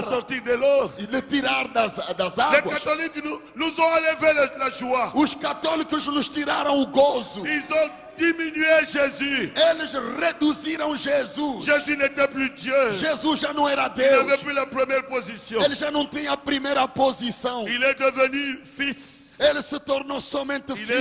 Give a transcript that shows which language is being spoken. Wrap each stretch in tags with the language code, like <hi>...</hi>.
<fr>Le sortir de l'eau.</fr> <pt>E le tirar das águas.</pt> <fr>Les catholiques nous ont enlevé la joie.</fr> <pt>Os católicos nos tiraram o gozo.</pt> <fr>Ils ont diminué Jésus.</fr> <pt>Eles reduziram Jesus.</pt> <fr>Jésus n'était plus Dieu.</fr> <pt>Jesus já não era Deus.</pt> <fr>Il n'avait plus la première position.</fr> <pt>Ele já não tinha a primeira posição.</pt> <fr>Il est devenu fils.</fr> <pt>Ele se tornou somente filho.</pt>